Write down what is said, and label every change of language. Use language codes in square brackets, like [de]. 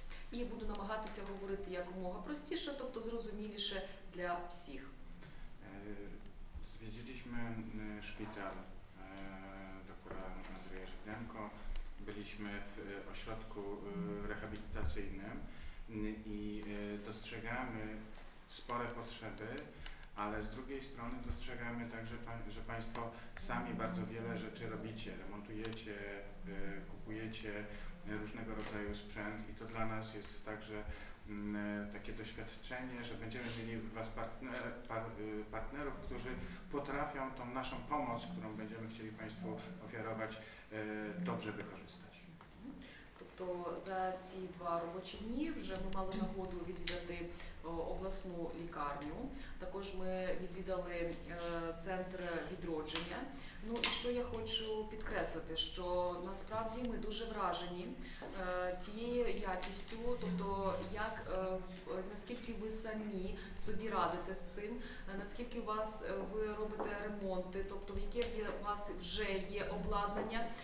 [uk] І буду намагатися говорити якомога простіше, тобто зрозуміліше для всіх. Звідали ми шпіталь доктора Андрія Жиденко. [pl] Byliśmy w ośrodku rehabilitacyjnym i dostrzegamy spore potrzeby, ale z drugiej strony dostrzegamy także, że Państwo sami bardzo wiele rzeczy robicie, remontujecie, kupujecie różnego rodzaju sprzęt i to dla nas jest także takie doświadczenie, że będziemy mieli Was partnerów, którzy potrafią tą naszą pomoc, którą będziemy chcieli Państwu ofiarować, dobrze wykorzystać. [uk] Тобто за ці два робочі дні вже ми мали нагоду відвідати обласну лікарню. Також ми відвідали центр відродження. Ну і що я хочу підкреслити, що насправді ми дуже вражені тією якістю, тобто як, наскільки ви самі собі радите з цим, наскільки у вас ви робите ремонти, тобто яке у вас вже є обладнання.